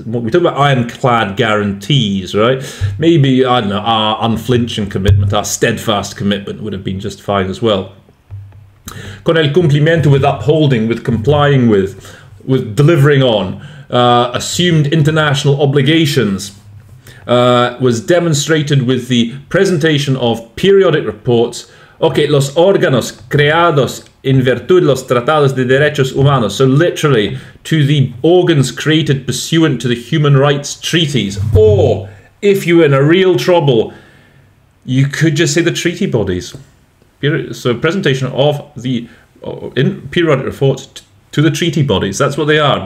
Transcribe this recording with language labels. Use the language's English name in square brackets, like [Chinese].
[English] We talk about ironclad guarantees, right? Maybe, I don't know, our unflinching commitment, our steadfast commitment would have been just fine as well. [Spanish] Con el cumplimiento, [English] with upholding, with complying with delivering on, assumed international obligations. Was demonstrated with the presentation of periodic reports. [Spanish] Okay, los órganos creados en virtud de los tratados de derechos humanos. [English] So literally, to the organs created pursuant to the human rights treaties. Or, if you were in a real trouble, you could just say the treaty bodies. So presentation of the in periodic reports to the treaty bodies. That's what they are.